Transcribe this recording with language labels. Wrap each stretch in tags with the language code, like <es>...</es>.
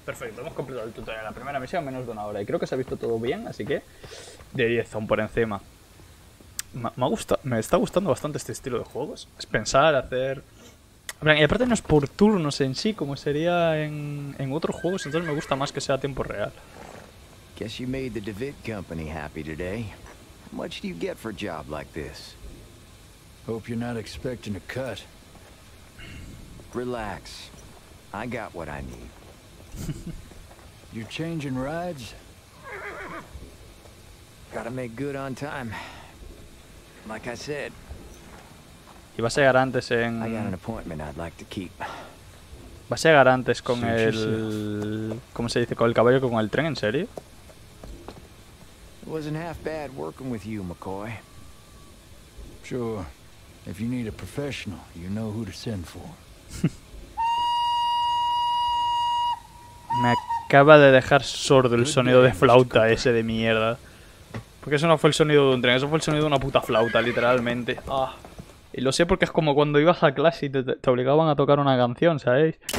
<es>Perfecto, hemos completado el tutorial. La primera misión en menos de una hora. Y creo que se ha visto todo bien, así que... De 10, aún por encima. Me está gustando bastante este estilo de juegos. Es pensar, hacer... Y aparte no es por turnos en sí, como sería en otros juegos. Entonces me gusta más que sea a tiempo real.</es> <en>Guess you made the DeWitt Company happy today. How much do you get for a job like this? Hope you're not expecting a cut. Relax. I got what I need. You're changing rides? Gotta make good on time. Like I said.</en> <es>Y va a llegar antes en...</es> <en>I got an appointment I'd like to keep.</en> <es>Va a llegar antes con el... ¿Cómo se dice? ¿Con el caballo que con el tren? ¿En serio?</es> <en>It wasn't half bad working with you, McCoy. Sure. If you need a professional, you know who to send for.</en> <es>Me acaba de dejar sordo el sonido de flauta ese de mierda. Porque eso no fue el sonido de un tren, eso fue el sonido de una puta flauta, literalmente. Ah. Y lo sé porque es como cuando ibas a clase y te obligaban a tocar una canción, ¿sabéis?</es>